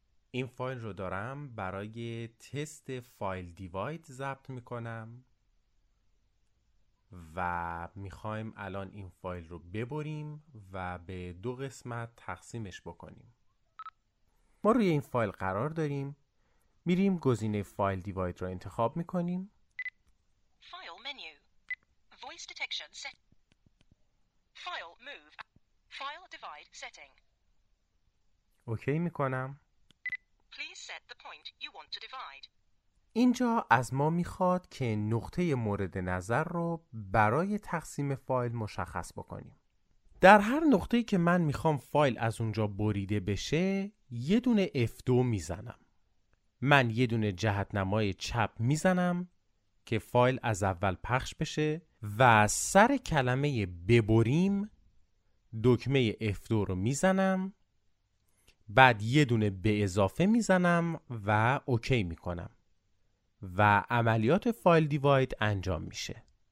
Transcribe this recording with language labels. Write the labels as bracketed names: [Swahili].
[Persian] این فایل رو دارم برای تست فایل دیواید ضبط میکنم و میخوایم الان این فایل رو ببریم و به دو قسمت تقسیمش بکنیم. ما روی این فایل قرار داریم، میریم گزینه فایل دیواید رو انتخاب میکنیم. [English] File menu Voice detection set. File move. File divide setting. [Persian] اوکی میکنم. [English] Please set the point you want to divide. [Persian] اینجا از ما میخواد که نقطه مورد نظر رو برای تقسیم فایل مشخص بکنیم. در هر نقطه‌ای که من میخوام فایل از اونجا بریده بشه، یه دونه F2 میزنم. من یه دونه جهت نمای چپ میزنم که فایل از اول پخش بشه و سر کلمه ببریم دکمه F2 رو میزنم، بعد یه دونه به اضافه میزنم و اوکی میکنم و عملیات فایل دیواید انجام میشه.